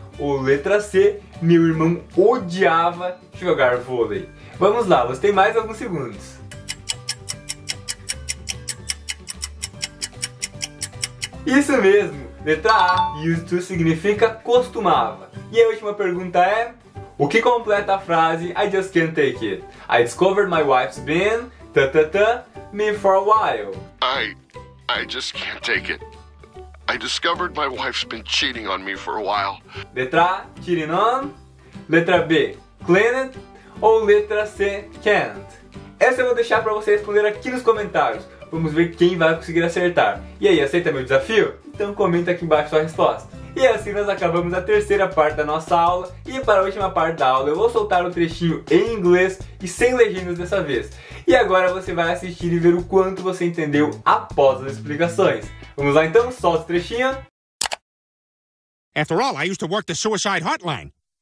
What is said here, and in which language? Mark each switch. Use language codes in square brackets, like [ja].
[pt] Ou letra C, meu irmão odiava jogar vôlei. Vamos lá, você tem mais alguns segundos. Isso mesmo, letra A, used to significa costumava. E a última pergunta é: o que completa a frase [en] I just can't take it? I discovered my wife's been me for a while. I just can't take it. I discovered my wife's been cheating on me for a while. [pt] Letra A, cheating on. Letra B, cleaned. Ou letra C, can't. Essa eu vou deixar pra você responder aqui nos comentários. Vamos ver quem vai conseguir acertar. E aí, aceita meu desafio? Então comenta aqui embaixo sua resposta. E assim nós acabamos a terceira parte da nossa aula. E para a última parte da aula eu vou soltar um trechinho em inglês e sem legendas dessa vez. E agora você vai assistir e ver o quanto você entendeu após as explicações. Vamos lá então, solta o trechinho. [en] After all, I used to work the suicide hotline.